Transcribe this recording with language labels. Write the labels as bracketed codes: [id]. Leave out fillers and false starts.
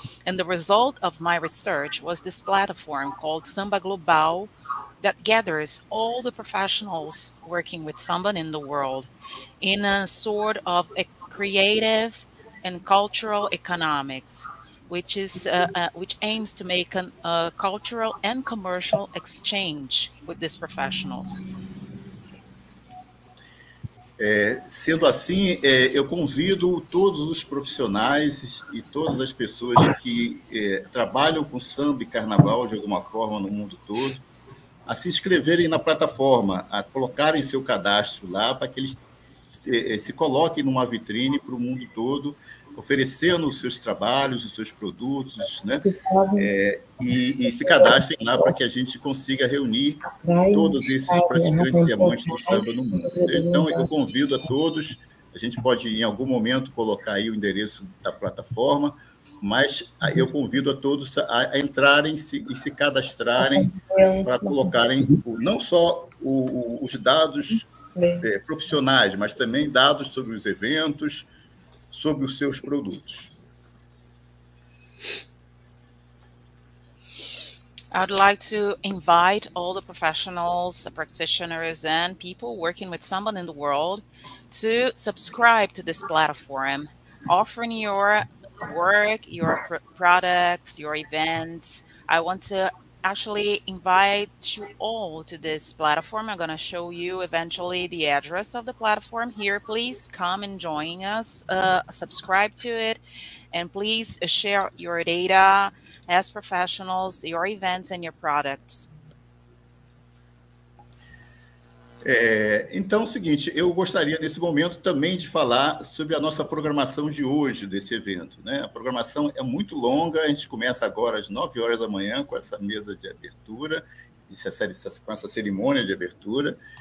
[en] And the result of my research was this platform called Samba Global that gathers all the professionals working with samba in the world in a sort of a creative and cultural economics, which is which aims to make a cultural and commercial exchange with these professionals. [pt] Sendo assim, eu convido todos os profissionais e todas as pessoas que trabalham com samba e carnaval de alguma forma no mundo todo a se inscreverem na plataforma, a colocarem seu cadastro lá para que eles se coloquem numa vitrine para o mundo todo, oferecendo os seus trabalhos, os seus produtos, né? E se cadastrem lá para que a gente consiga reunir todos esses praticantes e amantes do samba no mundo. Então, eu convido a todos, a gente pode em algum momento colocar aí o endereço da plataforma, mas eu convido a todos a entrarem e se cadastrarem para colocarem não só os dados profissionais, mas também dados sobre os eventos, sobre os seus produtos. [en] I'd like to invite all the professionals, the practitioners, and people working with samba in the world to subscribe to this platform, offering your work, your products, your events. I want to actually invite you all to this platform. I'm going to show you eventually the address of the platform here. Please come and join us, subscribe to it, and please share your data as professionals, your events and your products. [pt] Então, é o seguinte, eu gostaria nesse momento também de falar sobre a nossa programação de hoje, desse evento, né? A programação é muito longa, a gente começa agora às 9 horas da manhã com essa mesa de abertura, com essa cerimônia de abertura.